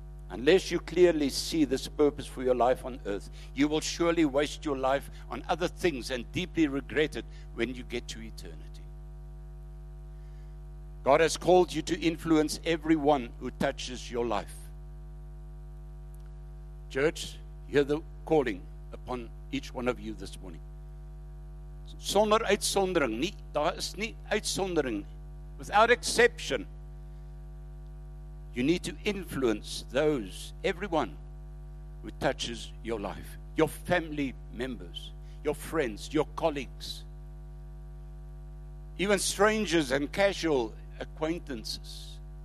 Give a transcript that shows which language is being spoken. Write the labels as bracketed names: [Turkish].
[English] Unless you clearly see this purpose for your life on earth, you will surely waste your life on other things and deeply regret it when you get to eternity. God has called you to influence everyone who touches your life. Church, hear the calling upon each one of you this morning. [Afrikaans] Sonder uitsondering, nie, daar is nie uitsondering. [English] Without exception, you need to influence those, everyone who touches your life, your family members, your friends, your colleagues, even strangers and casual acquaintances.